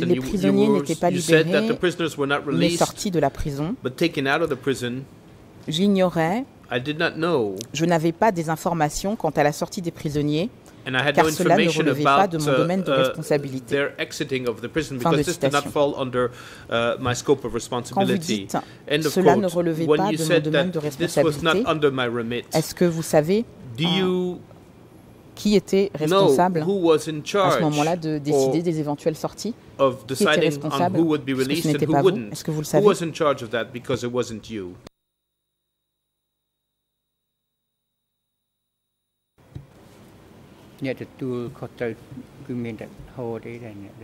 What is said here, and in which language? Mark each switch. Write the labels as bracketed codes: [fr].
[fr] Les prisonniers n'étaient pas libérés, mais sortis de la prison. [en] But taken out of the prison. [fr] J'ignorais. [en] I did not know. [fr] Je n'avais pas des informations quant à la sortie des prisonniers, car cela ne relevait pas de mon domaine de responsabilité. [en] Their exiting of the prison because this did not fall under my scope of responsibility. [fr] Quand vous dites cela ne relevait pas de mon domaine de responsabilité, est-ce que vous savez qui était responsable à ce moment-là de décider des éventuelles sorties? Qui était responsable? Ce n'était pas vous. Est-ce que vous le savez? [en] Who was in charge of that because it wasn't you? Yeah, the two cartel women that hold it, and